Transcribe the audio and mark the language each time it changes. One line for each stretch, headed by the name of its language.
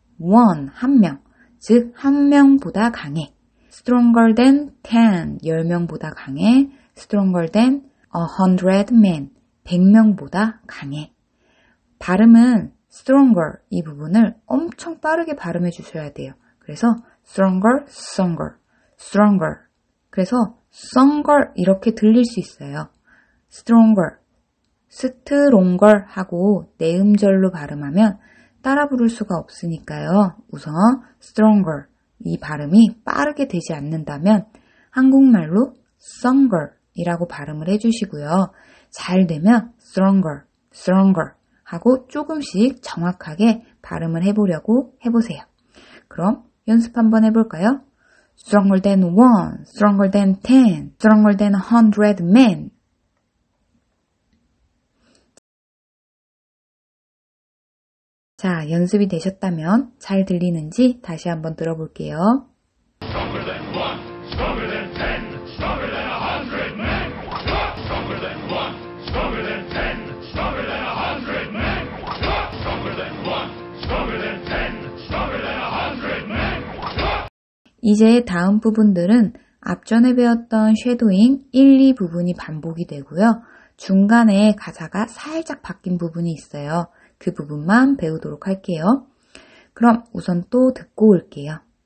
Korean: one, 한 명, 즉, 한 명보다 강해.
English: Stronger than ten,
Korean: 열 명보다 강해.
English: Stronger than a hundred men.
Korean: 100명보다 강해. 발음은 stronger 이 부분을 엄청 빠르게 발음해 주셔야 돼요. 그래서 stronger, stronger, stronger. 그래서 stronger 이렇게 들릴 수 있어요. stronger, stronger 하고 내음절로 발음하면 따라 부를 수가 없으니까요. 우선 stronger 이 발음이 빠르게 되지 않는다면 한국말로 stronger 이라고 발음을 해 주시고요. 잘 되면 stronger, stronger 하고 조금씩 정확하게 발음을 해보려고 해보세요. 그럼 연습 한번 해볼까요?
English: Stronger than one, stronger than ten, stronger than a hundred men.
Korean: 자, 연습이 되셨다면 잘 들리는지 다시 한번 들어볼게요.
English: Stronger than one, stronger than ten, stronger than a hundred men. Stronger than one. Stronger than ten, stronger than a hundred men. Stronger than one, stronger than ten, stronger than a hundred men.
Korean: 이제 다음 부분들은 앞전에 배웠던 쉐도잉 1, 2 부분이 반복이 되고요. 중간에 가사가 살짝 바뀐 부분이 있어요. 그 부분만 배우도록 할게요. 그럼 우선 또 듣고 올게요.